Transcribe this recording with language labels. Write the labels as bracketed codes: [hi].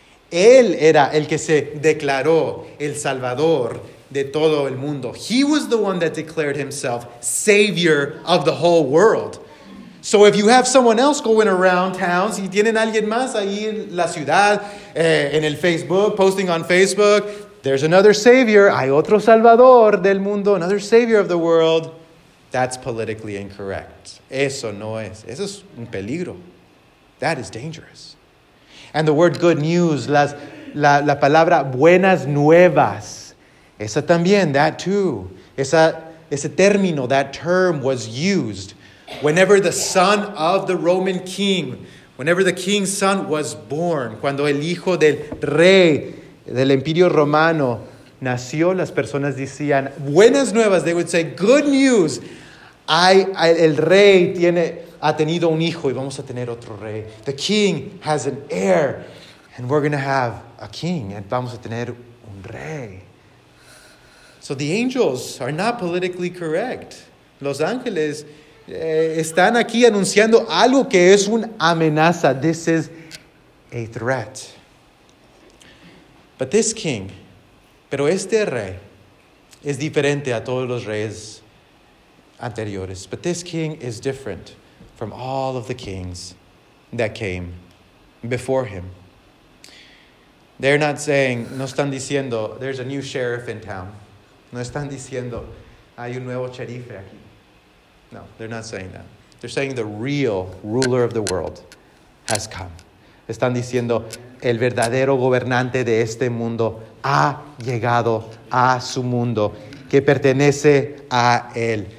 [es] Él era el que se declaró el salvador de todo el mundo. [en] He was the one that declared himself savior of the whole world. So if you have someone else going around town, [es] si tienen alguien más ahí en la ciudad, en el Facebook, [en] posting on Facebook, there's another savior, [es] hay otro salvador del mundo, [en] another savior of the world, that's politically incorrect. [es] Eso no es. Eso es un peligro. [en] That is dangerous. And the word good news, [es] la palabra buenas nuevas, esa también, [en] that too. [es] Ese término, [en] that term was used whenever the son of the Roman king, whenever the king's son was born, [es] cuando el hijo del rey del Imperio Romano nació, las personas decían, buenas nuevas, [en] they would say, good news. [es] El rey ha tenido un hijo y vamos a tener otro rey. [en] The king has an heir and we're going to have a king and [es] vamos a tener un rey. [en] So the angels are not politically correct. [es] Los ángeles están aquí anunciando algo que es una amenaza. [en] This is a threat. But this king, [es] pero este rey, es diferente a todos los reyes anteriores. [en] But this king is different from all of the kings that came before him. They're not saying, [es] no están diciendo, [en] there's a new sheriff in town. [es] No están diciendo, hay un nuevo sheriff aquí. [en] No, they're not saying that. They're saying the real ruler of the world has come. [es] Están diciendo, el verdadero gobernante de este mundo ha llegado a su mundo, que pertenece a él.